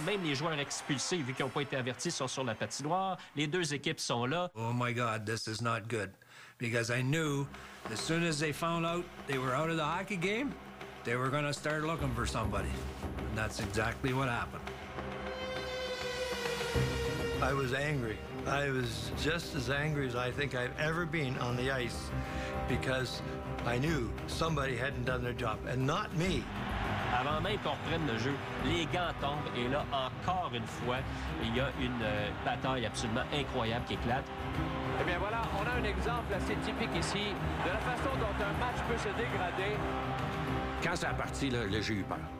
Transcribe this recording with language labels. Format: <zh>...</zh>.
<fr>Même les joueurs expulsés, vu qu'ils n'ont pas été avertis, sont sur la patinoire. Les deux équipes sont là.</fr> <en>Oh my God, this is not good. Because I knew, as soon as they found out they were out of the hockey game, they were going to start looking for somebody. And that's exactly what happened. I was angry. I was just as angry as I think I've ever been on the ice. Because I knew somebody hadn't done their job, and not me.</en> <fr>Avant même qu'on reprenne le jeu, les gants tombent et là, encore une fois, il y a une bataille absolument incroyable qui éclate. Eh bien voilà, on a un exemple assez typique ici de la façon dont un match peut se dégrader. Quand c'est parti, là, j'ai eu peur.</fr>